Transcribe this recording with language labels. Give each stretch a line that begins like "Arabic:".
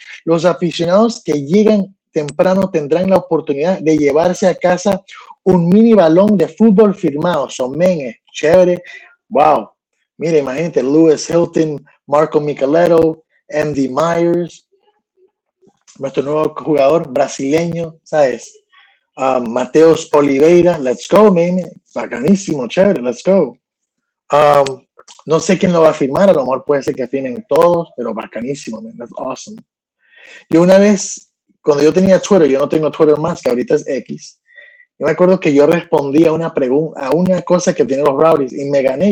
Spanish: Los aficionados que llegan temprano tendrán la oportunidad de llevarse a casa un mini balón de fútbol firmado. Son menes, chévere. Wow. Mira, imagínate, Lewis Hilton, Marco Micheletto, Andy Myers, nuestro nuevo jugador brasileño, ¿sabes?
English: Mateus Oliveira, let's go, man.
Spanish: Bacanísimo, chévere,
English: let's go.
Spanish: No sé quién lo va a firmar, a lo mejor puede ser que firmen todos, pero bacanísimo, man.
English: That's awesome.
Spanish: Yo una vez, cuando yo tenía Twitter, yo no tengo Twitter más, que ahorita es X, yo me acuerdo que yo respondí a una pregunta, a una cosa que tienen los Rowdies, y me gané.